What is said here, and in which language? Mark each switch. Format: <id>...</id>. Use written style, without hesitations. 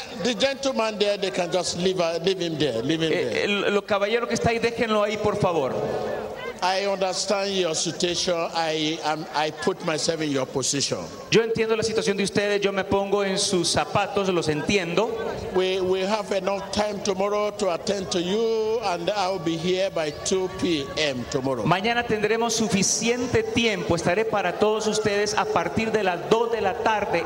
<en>The gentleman there, they can just leave him there. Leave him there.</en> <es>Lo caballero que está ahí, déjenlo ahí, por favor.</es> <en>I understand your situation. I put myself in your position.</en> <es>Yo entiendo la situación de ustedes. Yo me pongo en sus zapatos. Los entiendo.</es> <en>We have enough time tomorrow to attend to you, and I'll be here by 2 p.m. tomorrow.</en> <es>Mañana tendremos suficiente tiempo. Estaré para todos ustedes a partir de las 2 de la tarde.</es>